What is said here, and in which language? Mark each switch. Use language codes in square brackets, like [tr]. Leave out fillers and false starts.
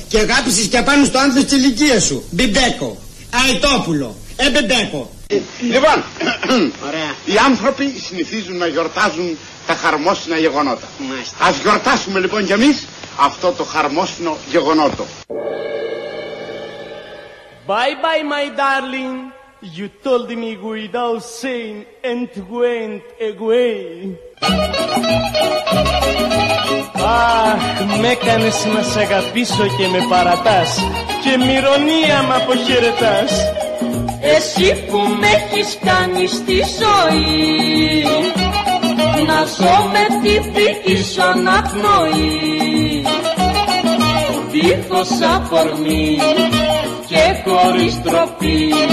[el] Και αγάπησες και απάνω στο άνθρωπο της ηλικίας σου. Μπιμπέκο. Αετόπουλο. Εμπεμπέκο. Λοιπόν, οι άνθρωποι συνηθίζουν να γιορτάζουν τα χαρμόσυνα γεγονότα. Ας γιορτάσουμε λοιπόν κι εμείς αυτό το χαρμόσυνο γεγονότο. [en] Bye bye my darling, you told me without saying and went away. [el] Αχ, με έκανες να σ' αγαπήσω και με παρατάς και μ' ηρωνία μ' αποχαιρετάς. Εσύ που μ' έχεις κάνει στη ζωή να ζω με τη δική σου αναπνοή δίχως αφορμή και χωρίς τροπή.